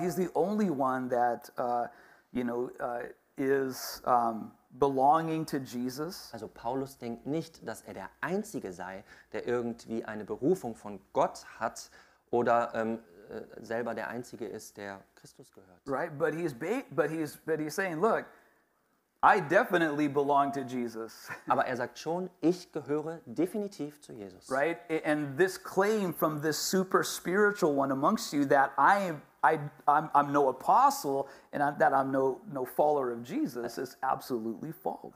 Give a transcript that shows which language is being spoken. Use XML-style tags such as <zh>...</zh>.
<en>He's the only one that you know, is belonging to Jesus.</en> <de>Also Paulus denkt nicht, dass er der Einzige sei, der irgendwie eine Berufung von Gott hat oder selber der Einzige ist, der Christus gehört.</de> <en>Right, but he's saying, look, I definitely belong to Jesus.</en> <de>Aber er sagt schon, ich gehöre definitiv zu Jesus.</de> <en>Right, and this claim from this super spiritual one amongst you that I'm no apostle and I'm no follower of Jesus is absolutely false.</en>